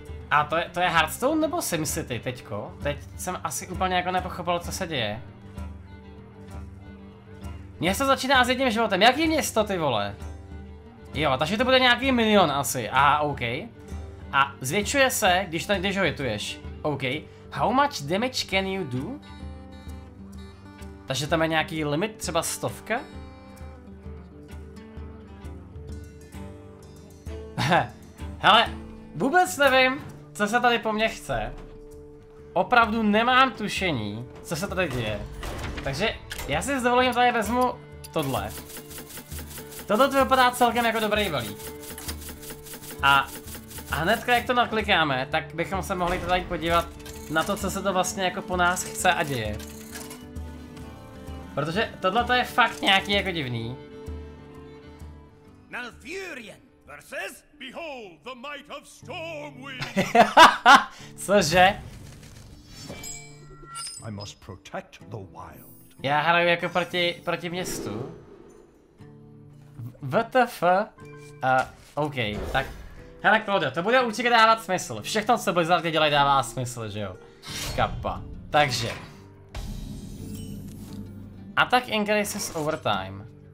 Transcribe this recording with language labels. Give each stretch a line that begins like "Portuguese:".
Czech: A to je Hearthstone nebo SimCity teďko? Teď jsem asi úplně jako nepochopil, co se děje. Město začíná s jedním životem. Jaký město, ty vole? Jo, takže to bude nějaký minion asi. Aha, OK. A zvětšuje se, když tady ho hituješ. OK.
English: How much damage can you do?
Czech: Takže tam je nějaký limit, třeba stovka? Hele, vůbec nevím, co se tady po mně chce. Opravdu nemám tušení, co se tady děje. Takže já si s dovolením tady vezmu tohle. Tohle to vypadá celkem jako dobrý balík. A hnedka jak to naklikáme, tak bychom se mohli tady podívat na to, co se to vlastně jako po nás chce a děje. Protože tohle to je fakt nějaký jako divný. Malfurion!
English: Versus, behold the might of Stormwind.
Czech: Cože?
English: I must protect the wild.
Czech: Já hraju jako proti městu. WTF? OK, tak. Hele, Claude, to bude určitě dávat smysl. Všechno, co Blizzard dělá, dává smysl, že jo? Kappa. Takže.
English: Attack increases over time.